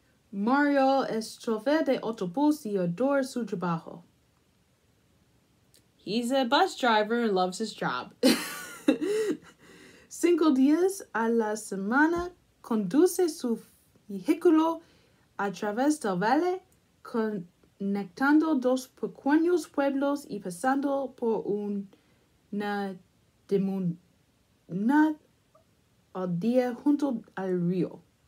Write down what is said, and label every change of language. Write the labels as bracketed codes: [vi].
[es] Mario es chofer de autobús y adora su trabajo. [en] He's a bus driver and loves his job. [es] 5 días a la semana conduce su vehículo a través del valle, conectando dos pequeños pueblos y pasando por una demuna al día junto al río.